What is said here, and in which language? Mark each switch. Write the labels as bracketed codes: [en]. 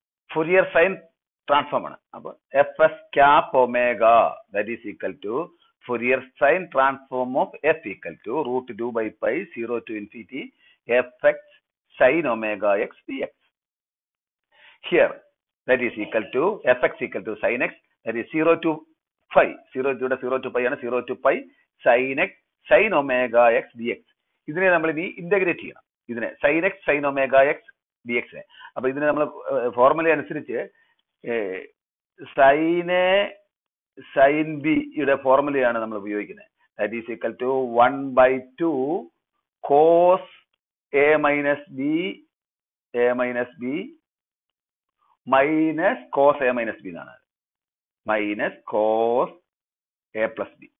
[en] Fourier sine transform [ml] ആണ്. അപ്പൊ [en] F S cap omega that is equal to Fourier sine transform of F equal to root 2 by pi 0 to infinity F X sine omega X D X. Here, that is equal to fx equal to sin x, that is 0 to pi, 0 to, 0 to pi, 0 to pi, sin x, sin omega x dx. [ml] ഇതിനെ നമ്മൾ ഇനി integrate ചെയ്യണം. ഇതിനെ sign x sine omega X D X. അപ്പൊ ഇതിനെ നമ്മൾ formula അനുസരിച്ച് സൈനെ sign ബിയുടെ ഫോർമുലയാണ് നമ്മൾ ഉപയോഗിക്കുന്നത്. [en] That is equal to 1/2 cos A minus B, A minus B minus cos A minus B എന്നാണ്, minus cos A plus B.